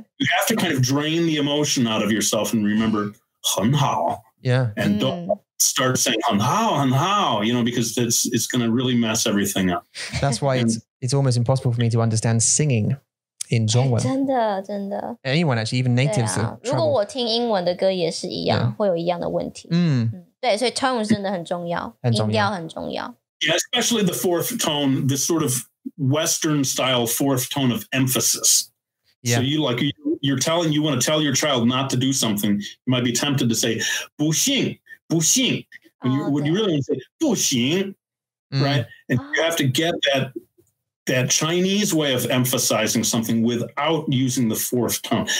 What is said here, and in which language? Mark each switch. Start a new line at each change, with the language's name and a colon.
English: you have to kind of drain the emotion out of yourself and remember hang hao. Yeah. And don't start saying hang hao, you know, because it's going to really mess everything up. That's why it's almost impossible for me to understand singing in Zhongwen.
Chinese: 真的。
English: Anyone actually, even natives.
Chinese: 如果我听英文的歌也是一样,会有一样的问题。对,所以 tone真的很重要,音调很重要。
English: Yeah, especially the fourth tone, this sort of Western style fourth tone of emphasis. Yeah. So you want to tell your child not to do something, you might be tempted to say,
Chinese: 不行,不行.
English: When you really want to say,
Chinese: 不行,
English: right? And you have to get that Chinese way of emphasizing something without using the fourth tone.